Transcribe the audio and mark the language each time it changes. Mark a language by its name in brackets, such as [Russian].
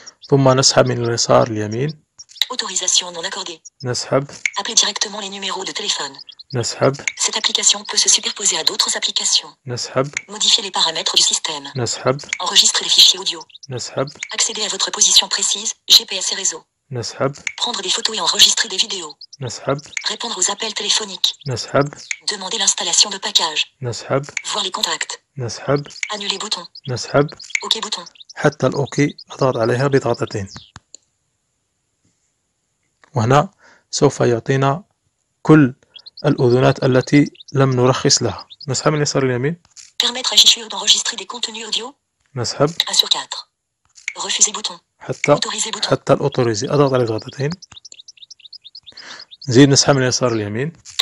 [Arabic] ثم نسحب من اليسار اليمين. [French] autorisation non accordée. [Arabic] نسحب. [French] appeler directement les numéros de téléphone. [Arabic] نسحب. [French] cette application peut se superposer à d'autres applications. [Arabic] نسحب. [French] modifier les paramètres du système. [Arabic] نسحب. [French] enregistrer les fichiers audio. [Arabic] نسحب. [French] accéder à votre position précise GPS et réseau. [Arabic] نسحب. [French] prendre des photos et enregistrer des vidéos. [Arabic] نسحب. [French] répondre aux appels téléphoniques. [Arabic] نسحب. [French] demander l'installation de packages. [Arabic] نسحب. [French] voir les contacts. [Arabic] نسحب. [French] annuler bouton. [Arabic] نسحب. [French] OK bouton. [Arabic] حتى الأوكي أضغط عليها بضغطتين. وهنا سوف يعطينا كل الأذونات التي لم نرخص لها. نسحب من اليسار اليمين. [French] permettre à Jishu d'enregistrer des contenus audio. [Arabic] نسحب. [French] 1 sur 4. refuser bouton. [Arabic] حتى الأوتوريزي أضغط على الضغطتين. نزيد نسحب من اليسار اليمين.